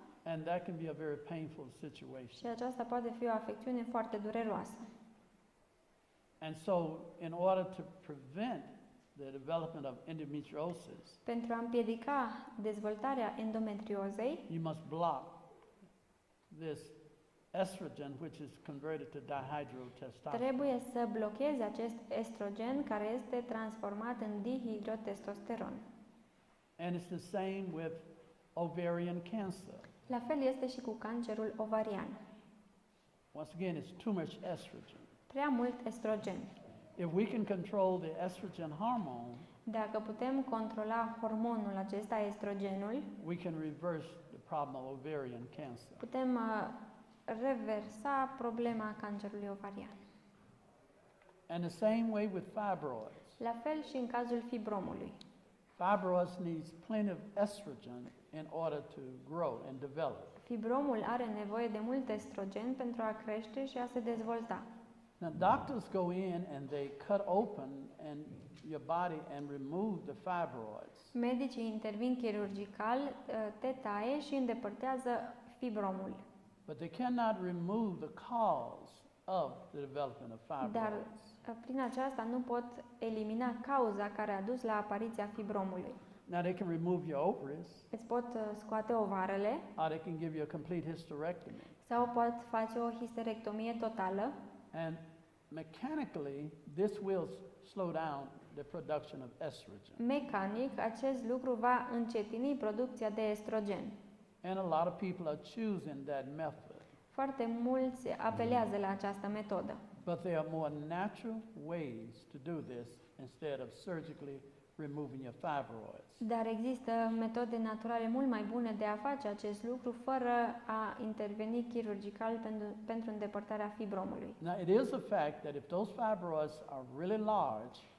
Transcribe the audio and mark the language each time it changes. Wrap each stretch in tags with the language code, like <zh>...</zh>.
<en>And that can be a very painful situation.</en> <ro>Și aceasta poate fi o afecțiune foarte dureroasă.</ro> <en>And so, in order to prevent the development of endometriosis.</en> <ro>Pentru a împiedica dezvoltarea endometriozei,</ro> <en>you must block this estrogen which is converted to dihydrotestosterone.</en> <ro>Trebuie să blochezi acest estrogen care este transformat în dihidrotestosteron.</ro> <en>And it's the same with ovarian cancer.</en> <ro>La fel este și cu cancerul ovarian.</ro> <en>Once again, it's too much estrogen.</en> <ro>Prea mult estrogen.</ro> <en>If we can control the estrogen hormone,</en> <ro>dacă putem controla hormonul acesta estrogenul,</ro> <en>we can reverse the problem of ovarian cancer.</en> <ro>Putem reversa problema cancerului ovarian.</ro> <en>And the same way with fibroids.</en> <ro>La fel și în cazul fibromului.</ro> <en>Fibroids needs plenty of estrogen in order to grow and develop.</en> <ro>Fibromul are nevoie de mult estrogen pentru a crește și a se dezvolta.</ro> <en>Now doctors go in and they cut open and your body and remove the fibroids.</en> <ro>Medicii intervin chirurgical, te taie și îndepărtează fibromul.</ro> <en>But they cannot remove the cause of the development of fibroids.</en> <ro>Dar prin aceasta nu pot elimina cauza care a dus la apariția fibromului.</ro> <en>Now they can remove your ovaries.</en> <ro>Îți pot scoate ovarele.</ro> <en>Or they can give you a complete hysterectomy.</en> <ro>Sau pot face o histerectomie totală.</ro> <en>And mechanically, this will slow down the production of estrogen.</en> <ro>Mecanic, acest lucru va încetini producția de estrogen.</ro> <en>And a lot of people are choosing that method.</en> <ro>Foarte mulți apelează la această metodă.</ro> <en>But there are more natural ways to do this instead of surgically removing your fibroids.</en> <ro>Dar există metode naturale mult mai bune de a face acest lucru fără a interveni chirurgical pentru îndepărtarea fibromului.</ro> <en>Now it is a fact that if those fibroids are really large,</en>